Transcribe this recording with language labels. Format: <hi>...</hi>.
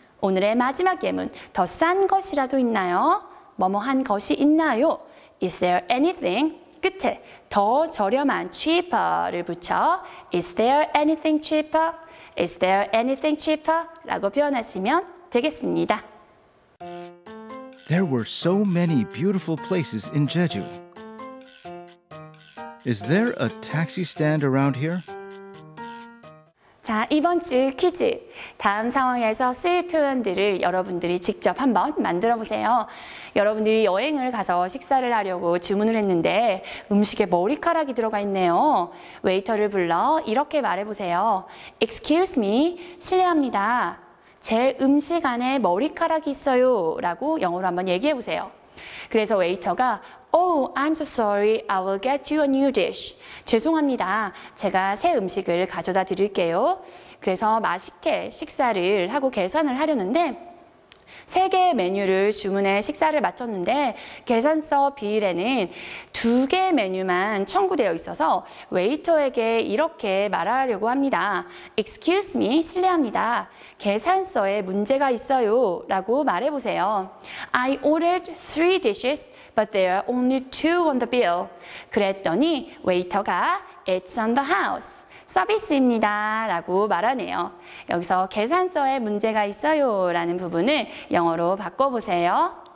<ko>오늘의 마지막 예문, 더 싼 것이라도 있나요? 뭐뭐 한 것이 있나요?</ko> <en>Is there anything?</en> <ko>끝에 더 저렴한 cheaper를 붙여</ko> <en>Is there anything cheaper? Is there anything cheaper?</en> <ko>라고 표현하시면 되겠습니다.</ko> <en>There were so many beautiful places in Jeju. Is there a taxi stand around here?</en> <ko>자, 이번 주 퀴즈. 다음 상황에서 쓰일 표현들을 여러분들이 직접 한번 만들어 보세요. 여러분들이 여행을 가서 식사를 하려고 주문을 했는데 음식에 머리카락이 들어가 있네요. 웨이터를 불러 이렇게 말해 보세요.</ko> <en>Excuse me,</en> <ko>실례합니다. 제 음식 안에 머리카락이 있어요 라고 영어로 한번 얘기해 보세요. 그래서 웨이터가</ko> <en>Oh, I'm so sorry. I will get you a new dish.</en> <ko>죄송합니다. 제가 새 음식을 가져다 드릴게요. 그래서 맛있게 식사를 하고 계산을 하려는데 세 개의 메뉴를 주문해 식사를 마쳤는데 계산서 비일에는 두 개의 메뉴만 청구되어 있어서 웨이터에게 이렇게 말하려고 합니다.</ko> <en>Excuse me,</en> <ko>실례합니다. 계산서에 문제가 있어요 라고 말해보세요.</ko> <en>I ordered three dishes, but there are only two on the bill.</en> <ko>그랬더니 웨이터가</ko> <en>It's on the house.</en> <ko>서비스입니다 라고 말하네요. 여기서 계산서에 문제가 있어요 라는 부분을 영어로 바꿔보세요.</ko>